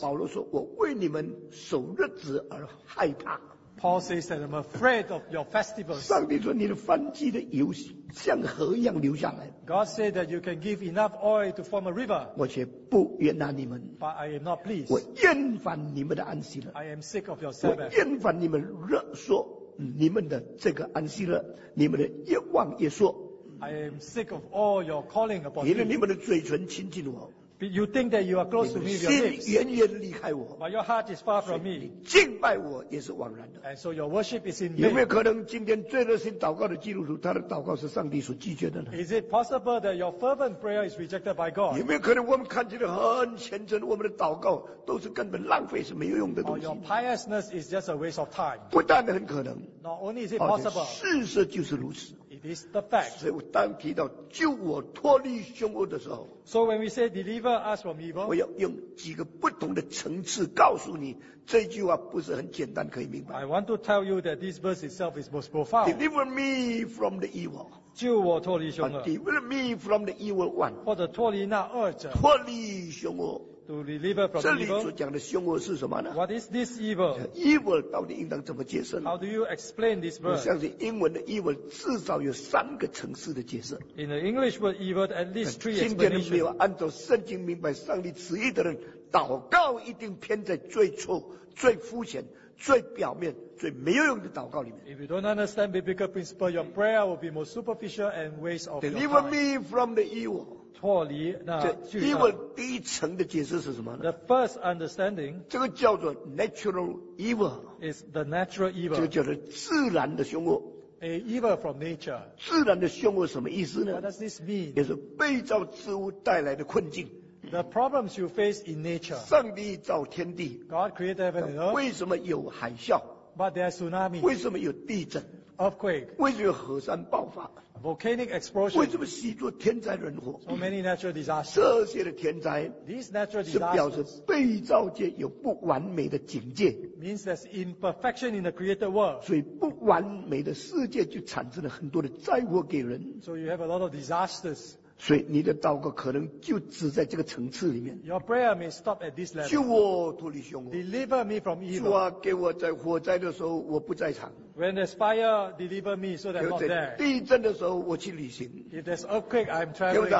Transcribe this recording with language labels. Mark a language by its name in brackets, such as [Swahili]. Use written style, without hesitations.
[Chinese] 保罗说，我为你们守日子而害怕。 [English] Paul says that I'm afraid of your festivals. [Chinese] 上帝说你的燔祭的油像河一样流下来。 [English] God said that you can give enough oil to form a river. [Chinese] 我却不悦纳你们。 [English] But I am not pleased. [Chinese] 我厌烦你们的安息了。 [English] I am sick of your Sabbath. [Chinese] 我厌烦你们热说你们的这个安息了，你们的越望越说。 [English] I am sick of all your calling upon me. [Chinese] 因为你们的嘴唇亲近我。 [English] But you think that you are close to me with your lips. [Chinese] 远远离开我。 [English] But your heart is far from me. [Chinese] 敬拜我也是枉然的。 [English] And so your worship is in vain. [Chinese] 有没有可能今天最热心祷告的基督徒，他的祷告是上帝所拒绝的呢？ [English] Is it possible that your fervent prayer is rejected by God? [Chinese] 有没有可能我们看起来很虔诚，我们的祷告都是根本浪费，是没有用的东西？ [English] Or your piousness is just a waste of time. [Chinese] 不但很可能。 [English] Not only is it possible. [Chinese] 事实就是如此。 [English] It is the fact. [Chinese] 所以我当提到救我脱离凶恶的时候， [English] So when we say deliver us from evil, [Chinese] 我要用几个不同的层次告诉你，这句话不是很简单可以明白。 [English] I want to tell you that this verse itself is most profound. Deliver me from the evil. [Chinese] 救我脱离凶恶。 [English] Deliver me from the evil one. [Chinese] 或者脱离那恶者。脱离凶恶。 [English] To deliver from evil. [Chinese] 这里所讲的凶恶是什么呢？ [English] What is this evil? [Chinese] Evil 到底应当怎么解释呢？ [English] How do you explain this word? [Chinese] 我相信英文的 evil 至少有三个层次的解释。 [English] In the English word evil, at least three explanations. [Chinese] 今天没有按照圣经明白上帝旨意的人，祷告一定偏在最错、最肤浅、最表面、最没有用的祷告里面。 [English] If you don't understand biblical principle, your prayer will be more superficial and waste of your time. Deliver me from the evil. [Chinese] 脱离那罪恶。 Evil 第一层的解释是什么呢 [English] ？The first understanding. [Chinese] 这个叫做 [English] natural evil. Is the natural evil. [Chinese] 这个叫做自然的凶恶。 [English] A evil from nature. [Chinese] 自然的凶恶什么意思呢 [English] ？What does this mean? [Chinese] 也是被造之物带来的困境。 [English] The problems you face in nature. [Chinese] 上帝造天地。 [English] God created heaven and earth. [Chinese] 为什么有海啸 [English] ？But there are tsunami. [Chinese] 为什么有地震 [English] ？Earthquake. [Chinese] 为什么有火山爆发 [English] ？Volcanic explosion. [Chinese] 为什么许多天灾人祸 [English] ？So many natural disasters. [Chinese] 这些的天灾 [English] ，these natural disasters [Chinese] 是表示被造界有不完美的境界。 [English] Means there's imperfection in the created world. [Chinese] 所以不完美的世界就产生了很多的灾祸给人。 [English] So you have a lot of disasters. [Chinese] 所以你的祷告可能就只在这个层次里面。 [English] Your prayer may stop at this level. [Chinese] 救我脱离凶恶。 [English] Deliver me from evil. [Chinese] 主啊，给我在火灾的时候我不在场。 [English] When there's fire, deliver me so that I'm not there. [Chinese] 地震的时候我去旅行。 [English] If there's earthquake, I'm traveling.